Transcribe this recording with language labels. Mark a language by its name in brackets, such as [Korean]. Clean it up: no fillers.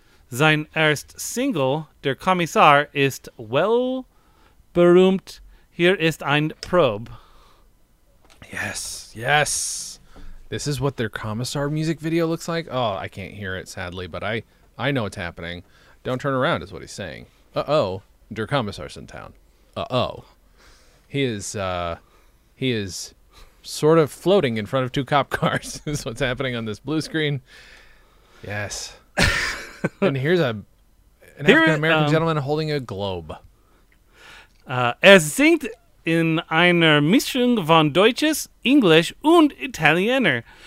[German] Sein erst Single, Der Kommissar, ist well berühmt. Hier ist ein Probe. [English] Yes, yes. This is what their Commissar music video looks like. Oh, I can't hear it, sadly, but I know what's happening. Don't turn around is what he's saying. Uh-oh, Der Commissar's in town. Uh-oh. He is sort of floating in front of two cop cars is what's happening on this blue screen. Yes. And here's an African-American gentleman holding a globe. [German] Er singt in einer Mischung von Deutsches, Englisch und Italiener.